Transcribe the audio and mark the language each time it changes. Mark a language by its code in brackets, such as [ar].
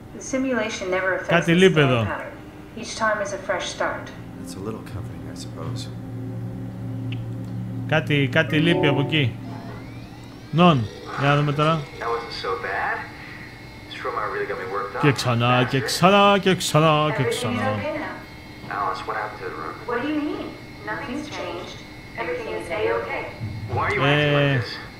[en] The simulation never affects his sleep pattern. Each time is a fresh start. It's a little comforting, I suppose. [el] Κάτι λείπει από εκεί. Νον, για να δούμε τώρα. [en] That wasn't so bad. This room really got me worked up. [el] Και ξανά, και ξανά, και ξανά, και ξανά. [en] Everything is okay now. Alice, what happened to the room? What do you mean? Nothing's changed. Everything is A-okay. Why are you acting like this?